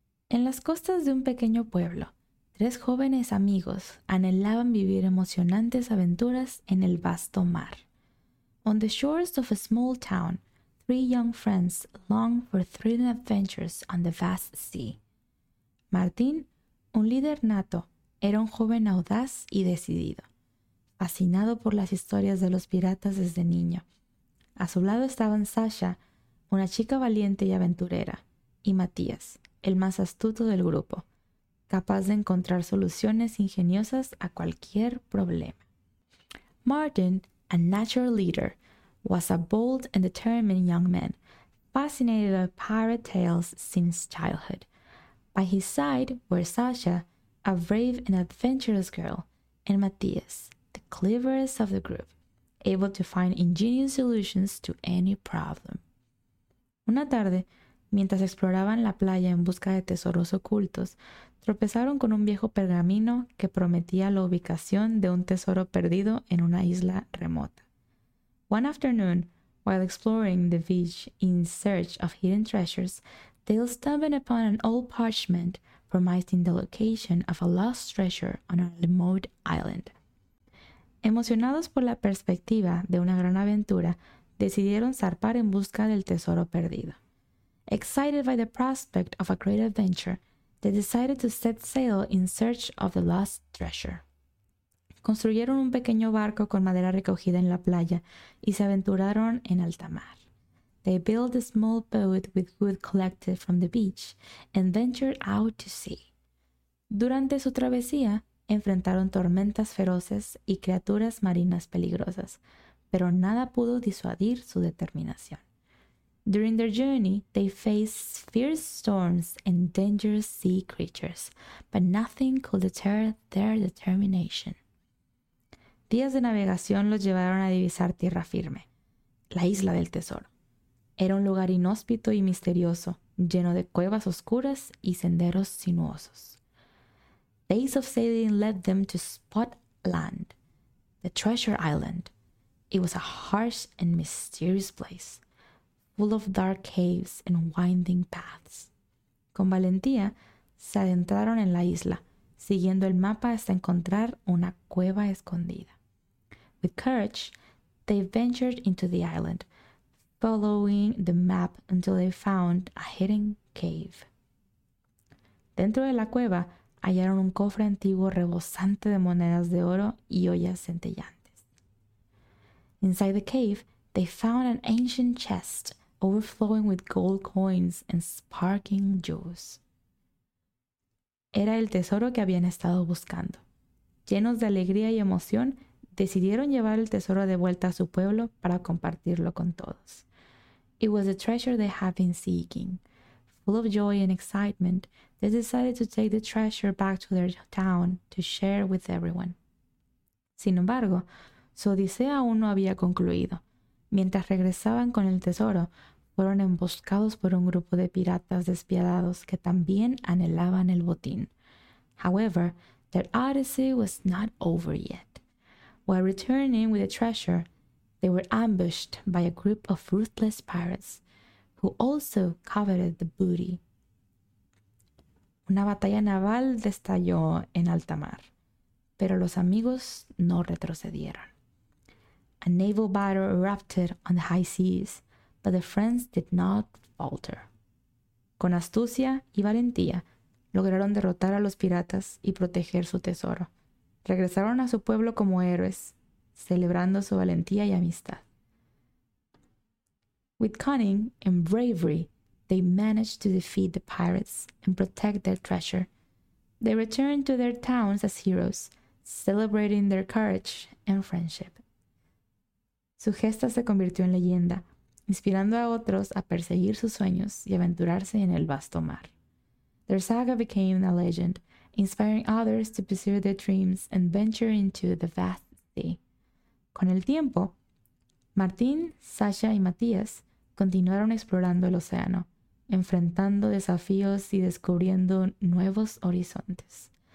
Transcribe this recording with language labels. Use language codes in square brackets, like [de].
[es] En las costas de un pequeño pueblo, tres jóvenes amigos anhelaban vivir emocionantes aventuras en el vasto mar. [en] On the shores of a small town, three young friends longed for thrilling adventures on the vast sea. [es] Martín, un líder nato, era un joven audaz y decidido, fascinado por las historias de los piratas desde niño. A su lado estaban Sasha, una chica valiente y aventurera, y Matías, el más astuto del grupo, capaz de encontrar soluciones ingeniosas a cualquier problema. [en] Martin, a natural leader, was a bold and determined young man, fascinated by pirate tales since childhood. By his side were Sasha, a brave and adventurous girl, and Matthias, the cleverest of the group, able to find ingenious solutions to any problem. [es] Una tarde, mientras exploraban la playa en busca de tesoros ocultos, tropezaron con un viejo pergamino que prometía la ubicación de un tesoro perdido en una isla remota. [en] One afternoon, while exploring the beach in search of hidden treasures, they stumbled upon an old parchment promising the location of a lost treasure on a remote island. [es] Emocionados por la perspectiva de una gran aventura, decidieron zarpar en busca del tesoro perdido. [en] Excited by the prospect of a great adventure, they decided to set sail in search of the lost treasure. [es] Construyeron un pequeño barco con madera recogida en la playa y se aventuraron en alta mar. [en] They built a small boat with wood collected from the beach and ventured out to sea. [es] Durante su travesía, enfrentaron tormentas feroces y criaturas marinas peligrosas, pero nada pudo disuadir su determinación. [en] During their journey, they faced fierce storms and dangerous sea creatures, but nothing could deter their determination. [es] Días de navegación los llevaron a divisar tierra firme, la isla del tesoro. Era un lugar inhóspito y misterioso, lleno de cuevas oscuras y senderos sinuosos. [en] Days of sailing led them to spot land, the treasure island. It was a harsh and mysterious place, full of dark caves and winding paths. [es] Con valentía, se adentraron en la isla, siguiendo el mapa hasta encontrar una cueva escondida. [en] With courage, they ventured into the island, following the map until they found a hidden cave. [es] Dentro de la cueva, hallaron un cofre antiguo rebosante de monedas de oro y ollas centellantes. [en] Inside the cave, they found an ancient chest overflowing with gold coins and sparkling jewels. [es] Era el tesoro que habían estado buscando. Llenos de alegría y emoción, decidieron llevar el tesoro de vuelta a su pueblo para compartirlo con todos. [en] It was the treasure they had been seeking. Full of joy and excitement, they decided to take the treasure back to their town to share with everyone. [es] Sin embargo, su odisea aún no había concluido. Mientras regresaban con el tesoro, fueron emboscados por un grupo de piratas despiadados que también anhelaban el botín. [en] However, their odyssey was not over yet. While returning with the treasure, they were ambushed by a group of ruthless pirates who also coveted the booty. [es] Una batalla naval estalló en alta mar, pero los amigos no retrocedieron. [en] A naval battle erupted on the high seas, but the friends did not falter. [es] Con astucia y valentía, lograron derrotar a los piratas y proteger su tesoro. Regresaron a su pueblo como héroes, celebrando su valentía y amistad. [en] With cunning and bravery, they managed to defeat the pirates and protect their treasure. They returned to their towns as heroes, celebrating their courage and friendship. [es] Su gesta se convirtió en leyenda, inspirando a otros a perseguir sus sueños y aventurarse en el vasto mar. [en] Their saga became a legend, inspiring others to pursue their dreams and venture into the vast sea. [es] Con el tiempo, Martín, Sasha y Matías continuaron explorando el océano, enfrentando desafíos y descubriendo nuevos horizontes.